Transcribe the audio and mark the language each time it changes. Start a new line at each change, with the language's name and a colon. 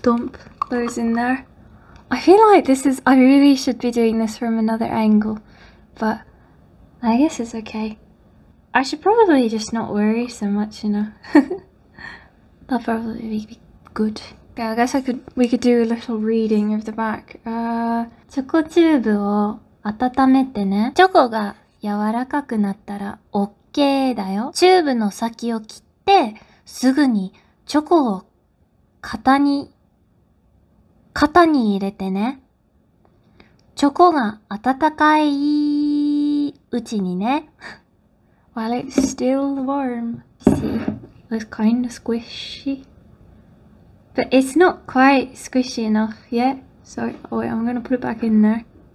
English: Dump those in there. I feel like this is, I really should be doing this from another angle, but I guess it's okay. I should probably just not worry so much, you know. That'd probably be good. Okay, I guess we could do a little reading of the back.
Japanese: チョコチューブを温めてね。チョコが柔らかくなったらおっOkay, だよ。チューブの先を切って、すぐにチョコを型に入れてね。チョコが温かいうちにね。
English: While it's still warm, see, it's kind of squishy. But it's not quite squishy enough yet, so wait, I'm gonna put it back in there.